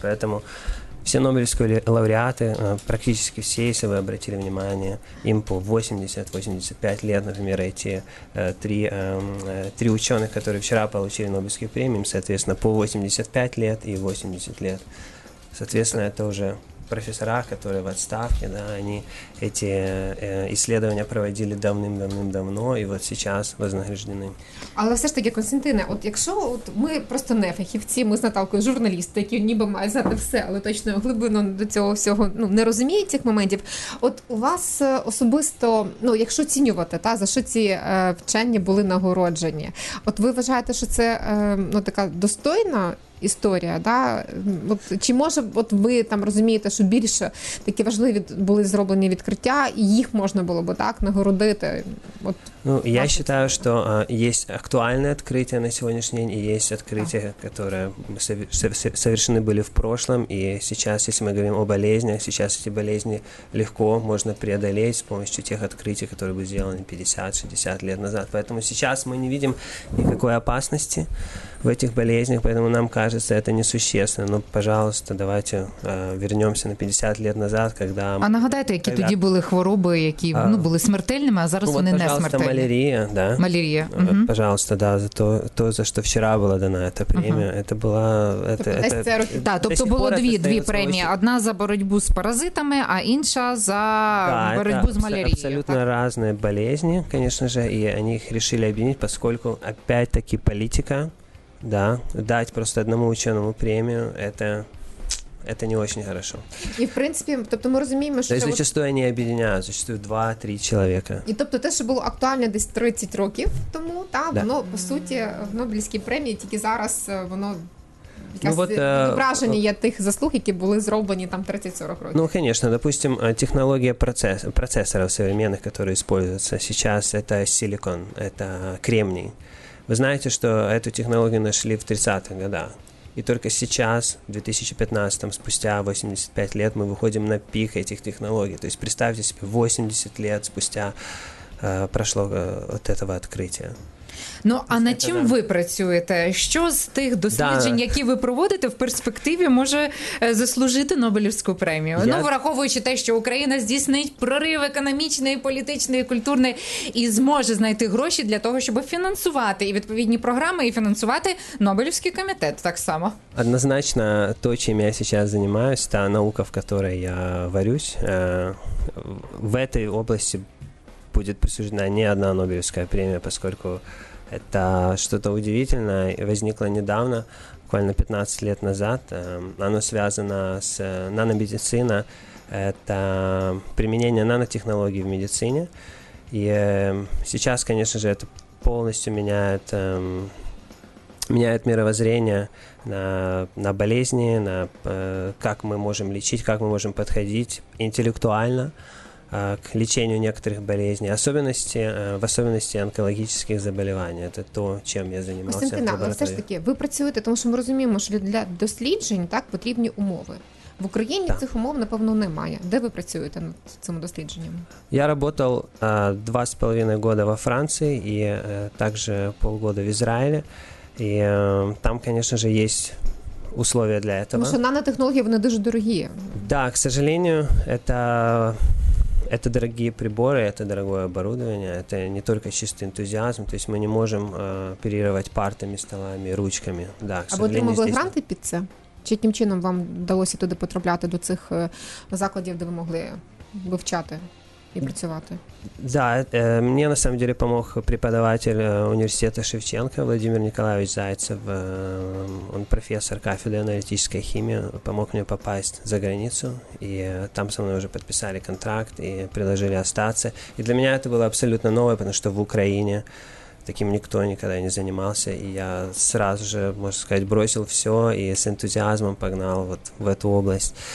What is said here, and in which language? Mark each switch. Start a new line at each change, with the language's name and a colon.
Russian: Поэтому все Нобелевские лауреаты, практически все, если вы обратили внимание, им по 80-85 лет, например, эти три ученых, которые вчера получили Нобелевские премии, им, соответственно, по 85 лет и 80 лет. Соответственно, это уже профессора, которые в отставке, да, они эти исследования проводили давным-давно и вот сейчас вознаграждены.
Ukrainian: Але все ж таки, Костянтине, от якщо от ми просто не фахівці, ми з Наталкою журналісти, які ніби мають знати все, але точно глибину до цього всього, ну, не розуміють цих моментів. От у вас особисто, ну, якщо оцінювати, та, за що ці вчені були нагороджені? От ви вважаєте, що це ну, така достойна історія, да? От, чи може от ви там розумієте, що більше такі важливі були зроблені відкриття, і їх можна було б так нагородити? От, ну, я вважаю, що є актуальне відкриття на сьогоднішній день, і є відкриття, які совершені були в прошлом, і зараз, якщо ми говоримо о болезнях, зараз ці болезні легко можна преодолеть з допомогою тих відкриттів, які були зроблені 50-60 років назад.
Russian: Тому зараз ми не бачимо ніякої опасності в этих болезнях, поэтому нам кажется, это несущественно. Но, пожалуйста, давайте вернемся на 50 лет назад, когда... А нагадайте, какие когда... тогда были хвороби, которые ну, были смертельными, а сейчас ну, вот, они не смертельные? Пожалуйста, малярия, да. Малярия. Угу. Пожалуйста, да, за то, за что вчера была дана эта премия. Угу. Это была... Да, то есть было две премии. Очень... Одна за борьбу с паразитами, а інша за да, борьбу с малярией. Абсолютно так? Разные болезни, конечно же, и они их решили объединить, поскольку опять-таки политика Да, дать просто одному ученому премию, это не очень хорошо.
Ukrainian: И в принципі, тобто ми розуміємо, що... Тобто зачастую вот... не об'єднюють, зачастую 2-3 чоловіка. І тобто те, що було актуально десь 30 років тому, та, да. Воно, по суті, в Нобелівській премії тільки зараз воно... Відображення тих заслуг, які були зроблені там 30-40 років. Ну, звісно, допустим, технологія процесорів сучасних, які використовуються зараз, це силикон, це кремній. Ви знаєте, що цю технологію знайшли в 30-х роках. І тільки зараз, в 2015-му, спустя 85 років, ми виходимо на пік цих технологій. Тобто, представте собі, 80 років спустя пройшло от цього відкриття. Ну, а над чим ви працюєте? Що з тих досліджень, які ви проводите, в перспективі може заслужити Нобелівську премію? Ну, враховуючи те, що Україна здійснить прорив економічний, політичний, культурний і зможе знайти гроші для того, щоб фінансувати і відповідні програми, і фінансувати Нобелівський комітет так само.
Russian: Однозначно, то, чим я зараз займаюся, та наука, в якій я варюсь, в цій області будет присуждена не одна Нобелевская премия, поскольку это что-то удивительное, возникло недавно, буквально 15 лет назад. Оно связано с наномедициной, это применение нанотехнологий в медицине. И сейчас, конечно же, это полностью меняет мировоззрение на болезни, на как мы можем лечить, как мы можем подходить интеллектуально к лечению некоторых болезней, в особенности онкологических заболеваний. Это то, чем я занимался. Костянтина, але все ж таки, ви працюєте, тому що ми розуміємо, що для досліджень так потрібні умови. В Україні да. цих умов, напевно, немає. Де ви працюєте над цим дослідженням? Я работал 2,5 года во Франции и также полгода в Израиле. И там, конечно же, есть условия для этого. Потому что нанотехнологии, вони дуже дорогі. Да, к сожалению, это дорогие приборы, это дорогое оборудование, это не только чистый энтузиазм, то есть мы не можем оперировать партами, столами, ручками. Да, а вы отримали здесь... гранты под это?
Ukrainian: Чи яким чином вам вдалося туди потрапляти до цих закладів, де ви могли вивчати і працювати?
Russian: Да, мені на самом деле помог преподаватель університету Шевченка Владимир Николаевич Зайцев, он профессор кафедры аналитической химии, помог мне попасть за границу, и там со мной уже подписали контракт и предложили остаться. И для меня это было абсолютно новое, потому что в Украине таким никто никогда не занимался, и я сразу же, можно сказать, бросил все и с энтузиазмом погнал вот в эту область.